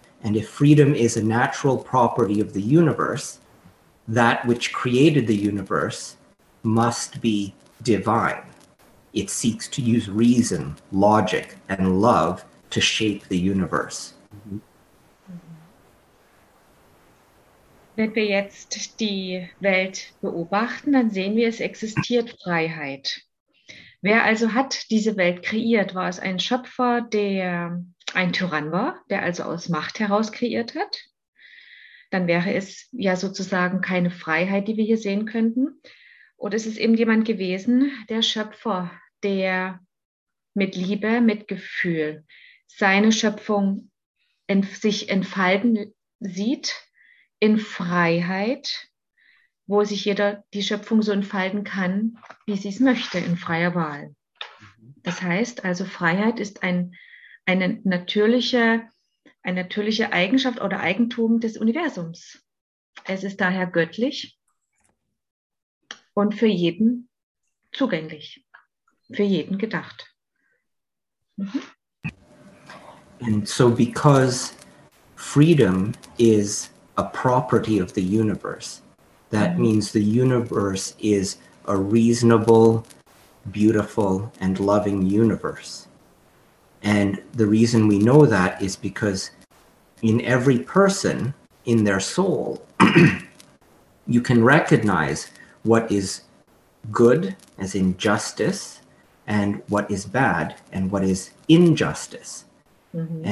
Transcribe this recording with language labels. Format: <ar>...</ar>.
<en>And if freedom is a natural property of the universe, that which created the universe must be divine. It seeks to use reason, logic, and love to shape the universe.</en> <de>Wenn wir jetzt die Welt beobachten, dann sehen wir, es existiert Freiheit. Wer also hat diese Welt kreiert? War es ein Schöpfer, der ein Tyrann war, der also aus Macht heraus kreiert hat? Dann wäre es ja sozusagen keine Freiheit, die wir hier sehen könnten. Oder ist es eben jemand gewesen, der Schöpfer, der mit Liebe, mit Gefühl seine Schöpfung sich entfalten sieht, in Freiheit, wo sich jeder die Schöpfung so entfalten kann, wie sie es möchte, in freier Wahl. Das heißt also, Freiheit ist eine natürliche Eigenschaft oder Eigentum des Universums. Es ist daher göttlich und für jeden zugänglich, für jeden gedacht. Mhm.</de> <en>And so because freedom is a property of the universe, that mm-hmm. means the universe is a reasonable, beautiful, and loving universe. And the reason we know that is because in every person, in their soul, you can recognize what is good, as in justice, and what is bad, and what is injustice. Mm-hmm.</en>